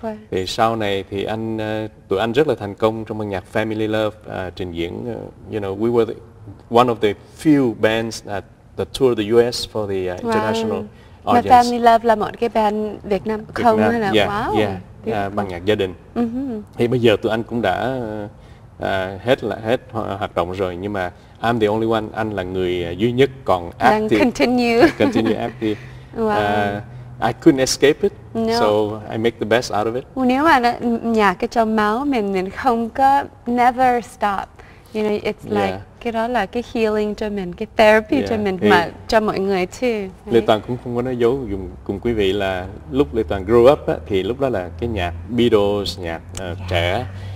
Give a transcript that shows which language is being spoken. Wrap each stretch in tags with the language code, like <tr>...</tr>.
<vi>Thì sau này thì anh, tụi anh rất là thành công trong ban nhạc Family Love, trình diễn,</vi> <en>you know, we were the, one of the few bands that, that toured the US for the international audience.</en> <vi>Mà Family Love là một cái band Việt Nam không hay là ban nhạc gia đình. Thì bây giờ tụi anh cũng đã hết hoạt động rồi, nhưng mà</vi> <en>I'm the only one,</en> <vi>anh là người duy nhất còn active. Đang continue</vi> <en>active. I couldn't escape it, so I make the best out of it.</en> <vi>Nếu mà nhạc cái trong máu mình không có</vi> <en>never stop, you know,</en> <vi>it's like cái đó là cái healing cho mình, cái therapy cho mình, mà cho mọi người</vi> <en>too.</en> <vi>Lê Toàn cũng không có nói dối dùng cùng quý vị là lúc Lê Toàn</vi> <en>grew up</en> <vi>á, thì lúc đó là cái nhạc Beatles, nhạc trẻ.</vi>